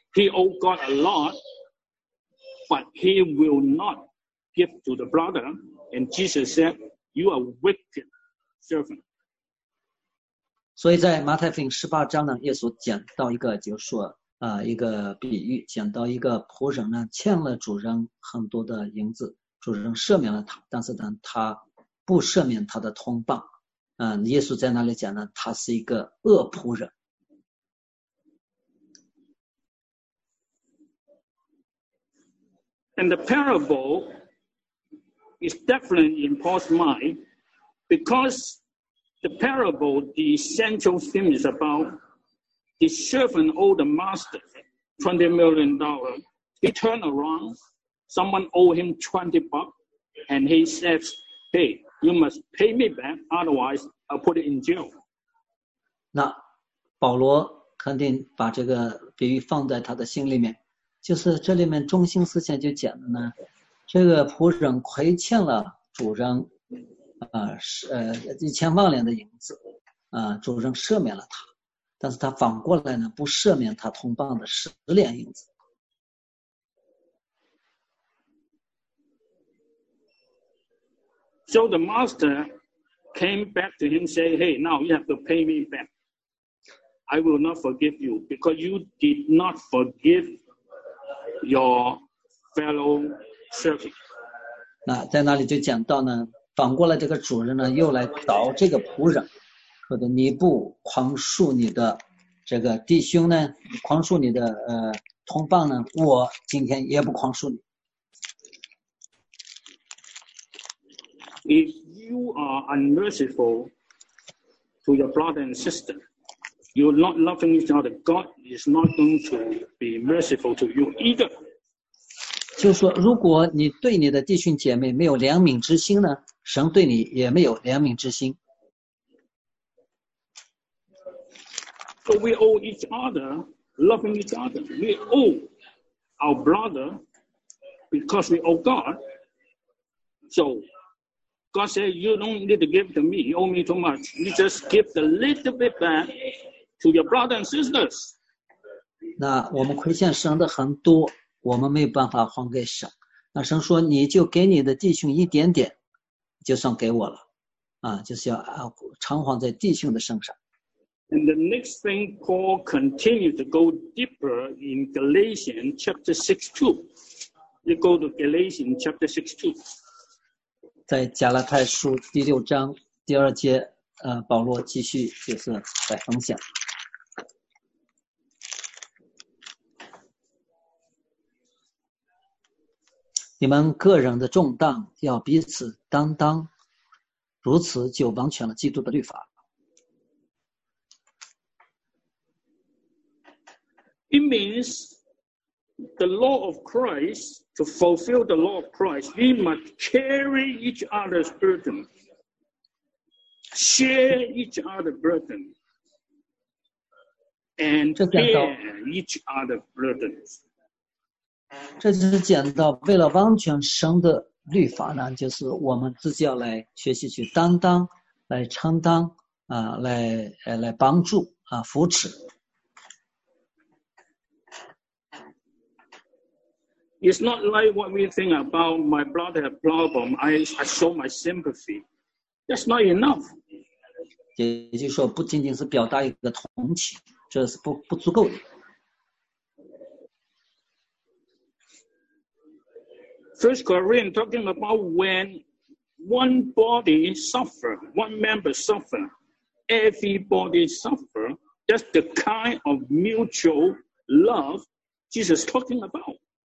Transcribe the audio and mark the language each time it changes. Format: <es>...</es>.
<en>He owed God a lot, but he will not give to the brother. And Jesus said, "You are wicked servant."</en> <zh>所以在马太福音十八章呢，耶稣讲到一个就是说。一个比喻，讲到一个仆人呢，欠了主人很多的银子，主人赦免了他，但是呢，他不赦免他的同伴。耶稣在那里讲呢，他是一个恶仆人。</zh> <en>And the parable is definitely in Paul's mind because the parable, the central theme is about. The servant owed the master $20 million. He turned around, someone owed him $20, and he says, "Hey, you must pay me back, otherwise I'll put it in jail."</en> <zh>那保罗肯定把这个比喻放在他的心里面，就是这里面中心思想就讲的呢，这个仆人亏欠了主人1000万两的银子，主人赦免了他，但是他反过来呢不赦免他同伴的10两银子。</zh> <en>So the master came back to him say, hey, now you have to pay me back. I will not forgive you because you did not forgive your fellow servant.</en> <zh>那在那里就讲到呢，反过来这个主人呢又来找这个仆人，说的你不宽恕你的这个弟兄呢，宽恕你的同伴呢，我今天也不宽恕你。</zh> <en>If you are unmerciful to your brother and sister, you're not loving each other, God is not going to be merciful to you either.</en> <zh>就是说如果你对你的弟兄姐妹没有怜悯之心呢，神对你也没有怜悯之心。</zh> <en>So we owe each other, loving each other. We owe our brother because we owe God. So,God said, you don't need to give to me, you owe me too much. You just give the little bit back to your brothers and sisters.</en> <zh>那我们亏欠神的很多，我们没有办法还给神。那神说，你就给你的弟兄一点点，就算给我了。就是要偿还在弟兄的身上。</zh> <en>And the next thing, Paul continued to go deeper in Galatians chapter 6:2. You go to Galatians chapter 6:2.</en> <zh>在加拉太书第六章第二节，保罗继续就是来分享。你们个人的重担要彼此担当，如此就完全了基督的律法。</zh> <en>It means the law of Christ. To fulfill the law of Christ, we must carry each other's burden, share each other's burden, and bear each other's burdens.</en> <zh>这就是讲到为了完全神的律法呢，就是我们自己要来学习去担当，来承担，来帮助，扶持。</zh> <en>It's not like what we think about my brother has a problem, I show my sympathy. That's not enough.</en> <zh>也就是说不仅仅是表达一个同情，这是 不足够的。</zh> <en>First Corinthians talking about when one body suffer, one member suffer, everybody suffer, that's the kind of mutual love Jesus talking about.</en>